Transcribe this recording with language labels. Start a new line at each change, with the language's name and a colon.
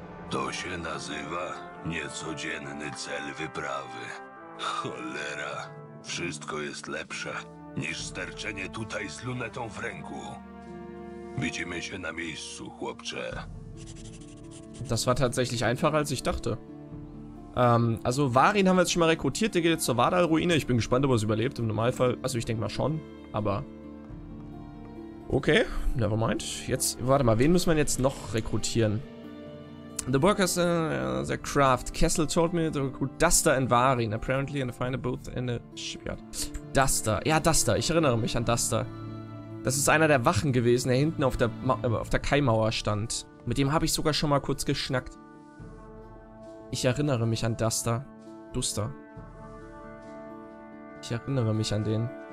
Polish: To się nazywa niecodzienny cel wyprawy. Cholera. Wszystko jest lepsze, niż sterczenie tutaj z lunetą w ręku. Widzimy się na miejscu, chłopcze.
German: Das war tatsächlich einfacher, als ich dachte. Also Varin haben wir jetzt schon mal rekrutiert, der geht jetzt zur Vardal-Ruine. Ich bin gespannt, ob er es überlebt im Normalfall. Also ich denke mal schon, aber...
English: Okay, never mind.
German: Jetzt, warte mal, wen müssen wir jetzt noch rekrutieren?
English: The workers the craft. Kessel told me to recruit Duster and Varin. Apparently in a fine booth in the shipyard.
German: Duster. Ja, Duster. Ich erinnere mich an Duster. Das ist einer der Wachen gewesen, der hinten auf der Kaimauer stand. Mit dem habe ich sogar schon mal kurz geschnackt. Ich erinnere mich an Duster. Duster. Ich erinnere mich an den.